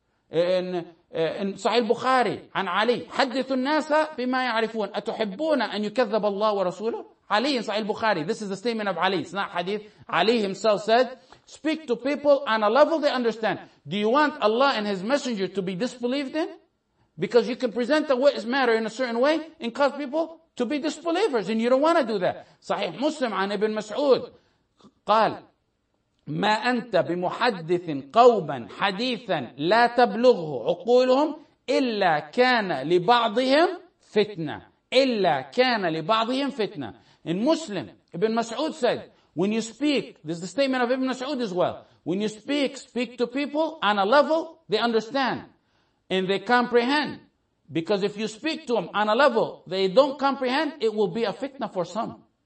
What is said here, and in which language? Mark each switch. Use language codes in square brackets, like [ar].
[en] In Sahih Bukhari, [ar] عن علي, حدثوا الناس بما يعرفون, أتحبون أن يكذب الله ورسوله؟ [en] علي in Sahih Bukhari, this is the statement of Ali, it's not hadith. Ali himself said, speak to people on a level they understand. Do you want Allah and His Messenger to be disbelieved in? Because you can present a witness matter in a certain way and cause people to be disbelievers, and you don't want to do that. [ar] Sahih Muslim عن ابن مسعود قال, ما أنت بمحدث قوما حديثا لا تبلغه عقولهم إلا كان لبعضهم فتنة. إلا كان لبعضهم فتنة. [en] In Muslim, Ibn Mas'ud said, when you speak, this is the statement of Ibn Mas'ud as well, when you speak to people on a level they understand and they comprehend. Because if you speak to them on a level they don't comprehend, it will be a fitna for some.